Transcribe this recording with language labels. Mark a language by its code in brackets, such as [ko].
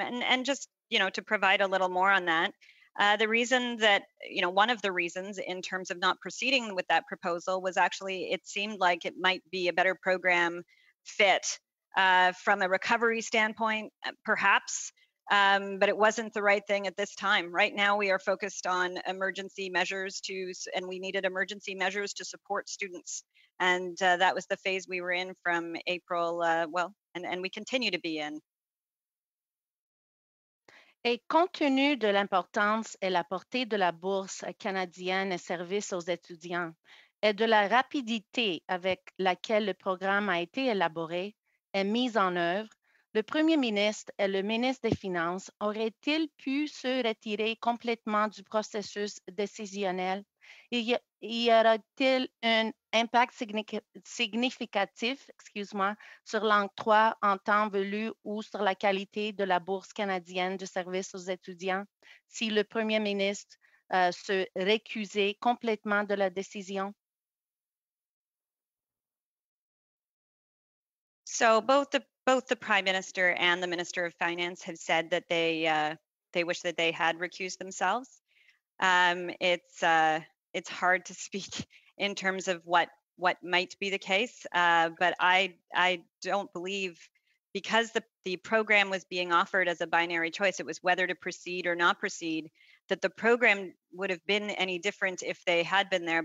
[en] And just, you know, to provide a little more on that, the reason that, you know, one of the reasons in terms of not proceeding with that proposal was actually it seemed like it might be a better program fit from a recovery standpoint, perhaps, but it wasn't the right thing at this time. Right now, we are focused on emergency measures and we needed emergency measures to support students. And that was the phase we were in from April, and we continue to be in. [fr] Et compte tenu de l'importance et la portée de la bourse canadienne et services aux étudiants et de la rapidité avec laquelle le programme a été élaboré et mis en œuvre, le premier ministre et le ministre des Finances auraient-ils pu se retirer complètement du processus décisionnel? Y aura-t-il un impact significatif, sur l'octroi en temps voulu ou sur la qualité de la bourse canadienne de services aux étudiants si le premier ministre se récusait complètement de la décision? [en] So both the Prime Minister and the Minister of Finance have said that they wish that they had recused themselves. It's hard to speak in terms of what might be the case, but I don't believe, because the program was being offered as a binary choice, it was whether to proceed or not proceed, that the program would have been any different if they had been there.